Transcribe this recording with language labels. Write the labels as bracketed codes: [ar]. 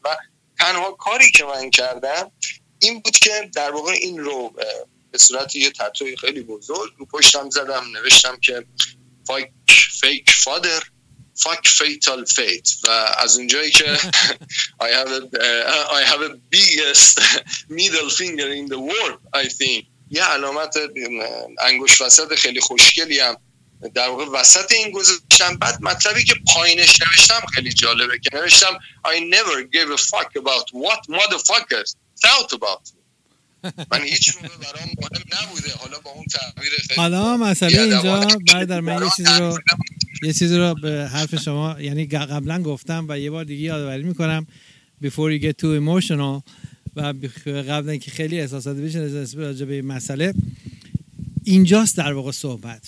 [fa] و تنها کاری که من کردم این بود که در واقع این رو به صورت یه تتوی خیلی بزرگ رو پشتم زدم، نوشتم که فاک فیک فادر فاک فیتال فیت، و از اونجایی که [en] I have a biggest middle finger in the world I think، [fa] یه علامت انگوش وسط خیلی خوشگلی هم در واقع وسط این گذاشتم. بعد مطلبی که پایینش نوشتم خیلی جالبه که نوشتم [en] I never gave a fuck about what motherfuckers thought about me. [fa] من هیچ برام مهم نبوده. حالا با اون تعبیر خیلی حالا مثلا اینجا برادر من یه چیزی رو به حرف شما، یعنی قبلا گفتم و یه بار دیگه یادآوری میکنم، [en] before you get too emotional، [fa] و قبل اینکه خیلی احساسات بشین راجع به این مسئله، اینجاست در واقع صحبت.